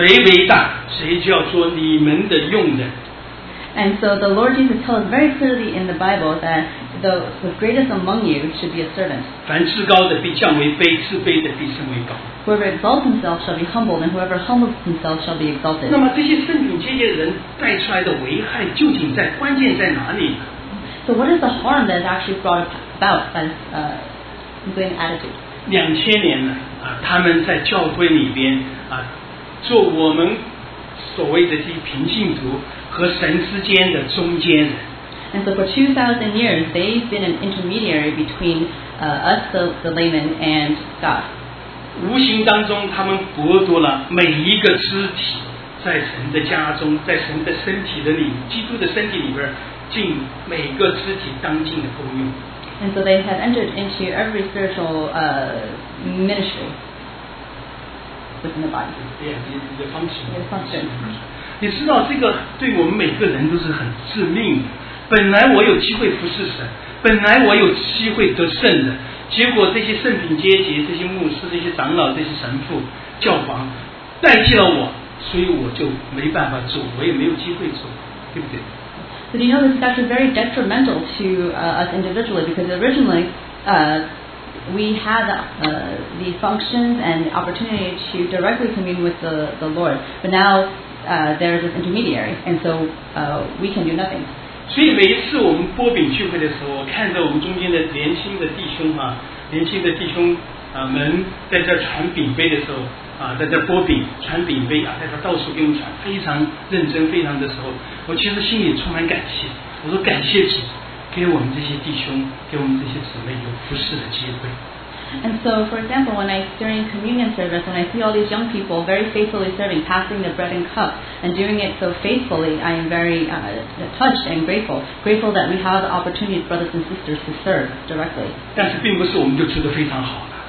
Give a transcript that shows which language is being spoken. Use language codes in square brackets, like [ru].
[zh] 主耶稣明明在这儿，我们刚才读的圣经告诉我们，你们中间谁伟大，谁就要做你们的用的。 [en] And so the Lord Jesus tells very clearly in the Bible that the greatest among you should be a servant. [zh] 凡至高的必降为卑，自卑的必升为高。 [en] Whoever exalts himself shall be humbled, and whoever humbles himself shall be exalted. [zh] 那么这些圣品阶级人带出来的危害究竟在关键在哪里？ [en] So what is the harm that is actually brought about by this complaining attitude? [zh] 2000年，他们在教会里边，做我们所谓的这些平信徒。 [en] And so for 2,000 years, they've been an intermediary between us, the layman, and God. [zh] 无形当中，他们剥夺了每一个肢体在神的家中，在神的身体的里，基督的身体里边，进每个肢体当尽的功用。 [en] And so they had entered into every spiritual ministry within the body. Yeah, the function. Mm-hmm. [zh] 你知道这个对我们每个人都是很致命的。本来我有机会服侍神，本来我有机会得圣人，结果这些圣品阶级、这些牧师、这些长老、这些神父、教皇代替了我，所以我就没办法做，我也没有机会做，对不对？ [en] So you know this is actually very detrimental to us individually, because originally we had the functions and the opportunity to directly commune with the Lord. But now there is an intermediary, and so we can do nothing. [zh] 所以每一次我们擘饼聚会的时候，我看着我们中间的年轻的弟兄啊，年轻的弟兄们在这传饼杯的时候啊，在这擘饼传饼杯啊，在这到处给我们传，非常认真，非常的时候，我其实心里充满感谢。我说感谢主，给我们这些弟兄，给我们这些姊妹有服侍的机会。 [en] And so, for example, when I during communion service, when I see all these young people very faithfully serving, passing the bread and cup, and doing it so faithfully, I am very touched and grateful. Grateful that we have the opportunity, brothers and sisters, to serve directly. [zh] 但是并不是我们就吃得非常好。